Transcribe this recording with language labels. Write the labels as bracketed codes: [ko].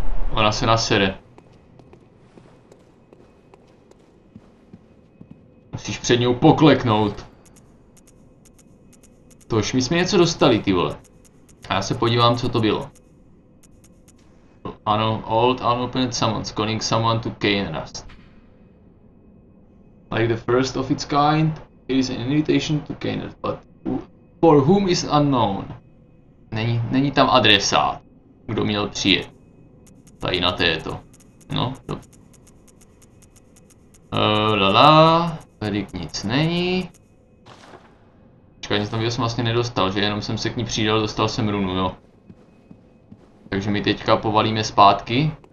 [cs] Ona se nasere. Musíš před něj pokleknout. Tož, my jsme něco dostali, ty vole. A já se podívám, co to bylo. Ano, [en] old unopened summons, calling someone to Kainrast. Like the first of its kind, it is an invitation to Kainrast, but for whom is unknown. [cs] Není tam adresát, kdo měl přijet. Tady na této. No, dobře. Lala, tady nic není. Počkej, nic tam jsem vlastně nedostal, že? Jenom jsem se k ní přidal, dostal jsem runu, jo. Takže my teďka povalíme zpátky.